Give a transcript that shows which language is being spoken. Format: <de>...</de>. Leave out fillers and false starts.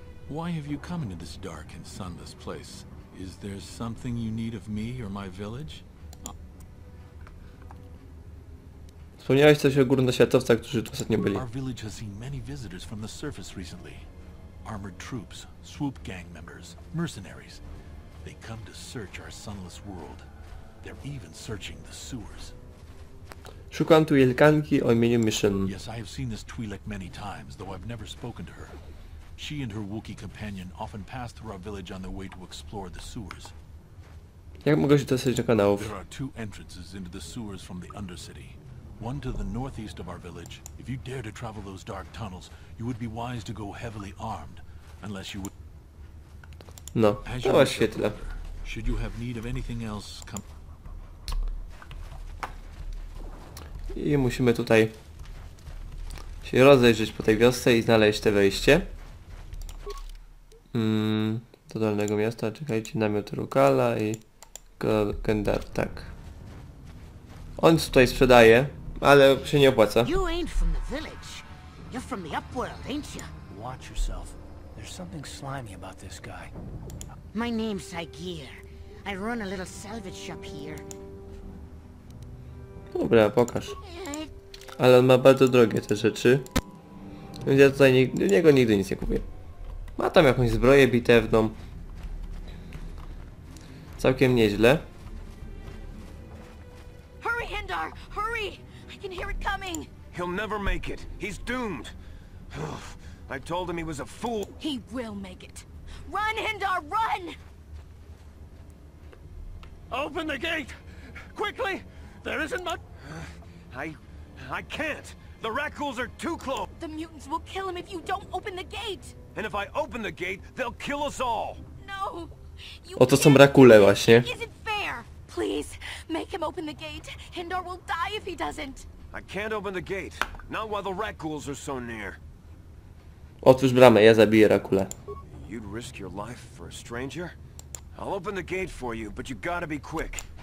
<en>Why have you come into this dark and sunless place? Is there something you need of me or my village?</en> <pl>Wspomniałeś coś o górnoświatowcach, którzy tu ostatnio byli.</pl> <en>Our village has seen many visitors from the surface recently. Armored troops, swoop gang members, mercenaries. They come to search our sunless world. They're even searching the sewers.</en> <pl>Szukam tu Jelkanki o imieniu Mission.</pl> <en>Yes, I have seen this Twi'lek many times, though I've never spoken to her. She and her Wookiee companion often pass through our village on their way to explore the sewers.</en> <pl>Jak mogę się dostać do kanałów?</pl> <en>There are two entrances into the sewers from the Undercity. One to the northeast of our village. If you dare to travel those dark tunnels, you would be wise to go heavily armed, unless you would...</en> <pl>No, to właśnie tyle. Order,</pl> <en>should you have need of anything else, come...</en> <pl>I musimy tutaj się rozejrzeć po tej wiosce i znaleźć te wejście. Do dolnego miasta, czekajcie, namiot Rukala i Gendar, tak. On tutaj sprzedaje, ale się nie opłaca.</pl> <en>You ain't from the village. You're from the upworld, ain't you? Watch yourself. There's something slimy about this guy. My name's Sygir. I run a little salvage shop here.</en> <pl>Dobra, pokaż. Ale on ma bardzo drogie te rzeczy. Więc ja tutaj do niego nigdy nic nie kupię. Ma tam jakąś zbroję bitewną. Całkiem nieźle.</pl> <en>Hurry, Hindar! Hurry! I can hear it coming! He'll never make it. He's doomed. I told him he was a fool. He will make it. Run, Hindar, run! Open the gate! Quickly! There isn't much... I can't. The Rakkuls are too close. The mutants will kill him if you don't open the gate. And if I open the gate, they'll kill us all.</en> <pl>No. Oto są Rakule właśnie.</pl> <en>Is it fair? Please, make him open the gate. Hindar will die if he doesn't. I can't open the gate. Not while the Rakkuls are so near.</en> <pl>Otwórz bramę, ja zabiję Rakule.</pl> <en>You'd risk your life for a stranger? I'll open the gate for you, but you gotta be quick.</en>